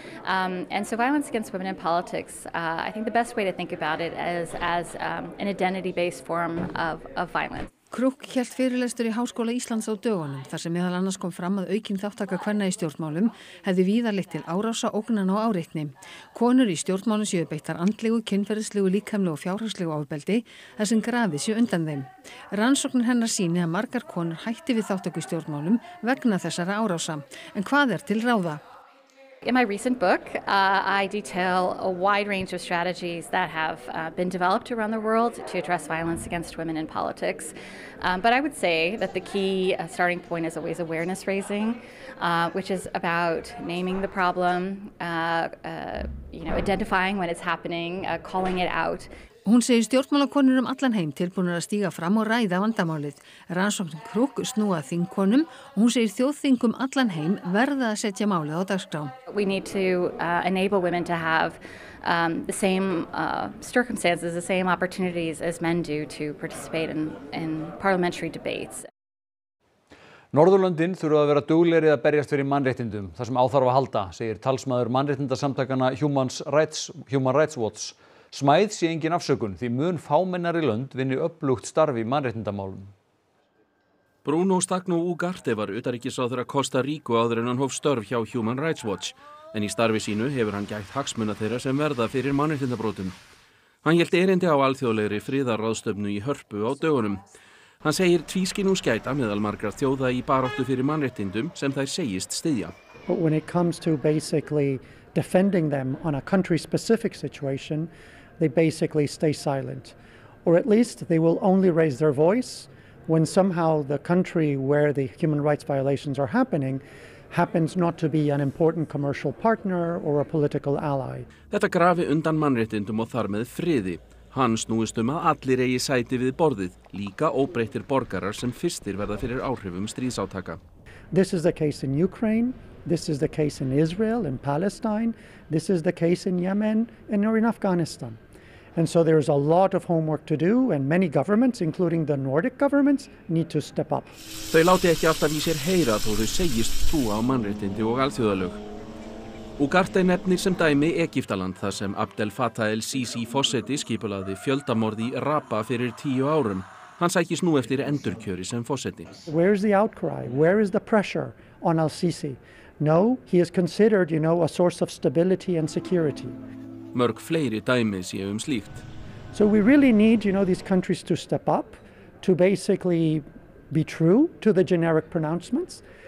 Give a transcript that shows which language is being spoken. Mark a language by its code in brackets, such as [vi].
[en] And so violence against women in politics, I think the best way to think about it is as an identity-based form of violence. [is] Krúk hélt fyrirlestur í Háskóla Íslands á dögunum þar sem meðal annars kom fram að aukin þáttaka kvenna í stjórnmálum hefði víða leitt til árása ógnan og áreitni. Konur í stjórnmálum séu beittar andlegu, kynferðislegu, líkamlegu og fjárhagslegu ofbeldi þar sem grafið séu undan þeim. Rannsóknir hennar sýni að margar konur hætti við þáttaku í stjórnmálum vegna þessara árása. En hvað til ráða? [en] In my recent book, I detail a wide range of strategies that have been developed around the world to address violence against women in politics. But I would say that the key starting point is always awareness raising, which is about naming the problem, identifying when it's happening, calling it out. [is] Hún segir stjórnmálakonur allan heim tilbúnar að stíga fram og ræða vandamálið. Rannsókn Krúk snúa þingkonum og hún segir þjóðþingum allan heim verða að setja málið á dagskrá. [en] We need to enable women to have the same circumstances, the same opportunities as men do to participate in parliamentary debates. [is] Norðurlöndin þurfa að vera duglegri að berjast fyrir mannréttindum, þar sem áþarf að halda, segir talsmaður mannréttindasamtakana Human Rights Watch. Smæð sé engin afsökun því mun fámennari lönd vinni öflugt starf í mannréttindamálum. Bruno Stagno Ugarte var utanríkisráðherra Kosta Ríku áður en hann hóf störf hjá Human Rights Watch, en í starfi sínu hefur hann gætt hagsmuna þeirra sem verða fyrir mannréttindabrotum. Hann hélt erindi á alþjóðlegri friðarráðstefnu í Hörpu á dögunum. Hann segir tvískinnungs gæta meðal margra þjóða í baráttu fyrir mannréttindum sem þær segist styðja. [en] But when it comes to basically defending them on a country-specific situation, they basically stay silent. Or at least they will only raise their voice when somehow the country where the human rights violations are happening happens not to be an important commercial partner or a political ally. [is] Þetta grafi undan mannréttindum og þar með friði. Hann snúist að allir eigi sæti við borðið, líka óbreyttir borgarar sem fyrstir verða fyrir áhrifum stríðsátaka. [en] This is the case in Ukraine. This is the case in Israel, in Palestine. This is the case in Yemen and in Afghanistan. And so there is a lot of homework to do and many governments, including the Nordic governments, need to step up. [is] Þau láti ekki alltaf í sér heyra þó þau segist trúa á mannréttindi og alþjóðalög. Ugarte nefnir sem dæmi Egyptaland þar sem Abdel Fattah el-Sisi forseti skipulagði fjöldamorð í Rabba fyrir 10 árum. Hann sækist nú eftir endurkjöri sem forseti. [en] Where is the outcry? Where is the pressure on al-Sisi? No, he is considered, a source of stability and security. [is] Mörg fleiri dæmi séu slíkt. [en] So we really need, these countries to step up, to basically be true to the generic pronouncements.